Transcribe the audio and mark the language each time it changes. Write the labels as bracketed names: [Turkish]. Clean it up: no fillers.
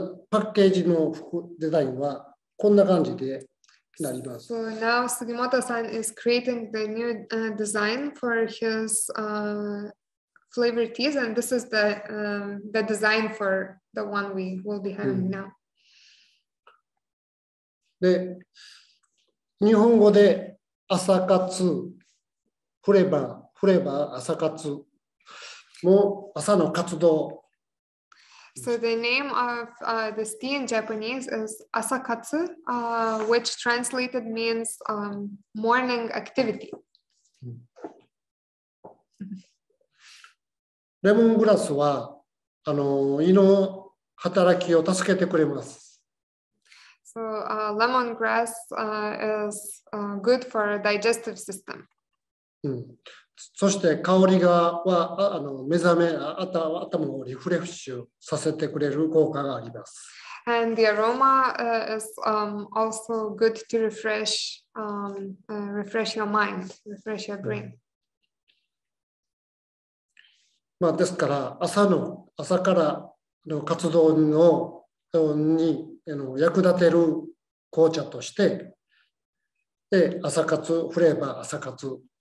[Japanese] パッケージのデザインはこんな感じでなります。 [English] So now Sugimoto-san is creating the new design for his flavor teas, and this is the design for the one we will be having now. [Japanese] で、日本語で朝活振れば振れば朝活も朝の活動。 [English] So the name of this tea in Japanese is asakatsu, which translated means morning activity. [Japanese] Lemongrass は胃の働きを助けてくれます。 [English] So lemongrass is good for digestive system. [Japanese] そして香りがは目覚め頭をリフレッシュさせてくれる効果があります。 [English] And the aroma is also good to refresh, refresh your mind, refresh your brain.、 [Japanese] まあ、ですから朝からの活動に役立てる紅茶として、で朝活フレーバー朝活。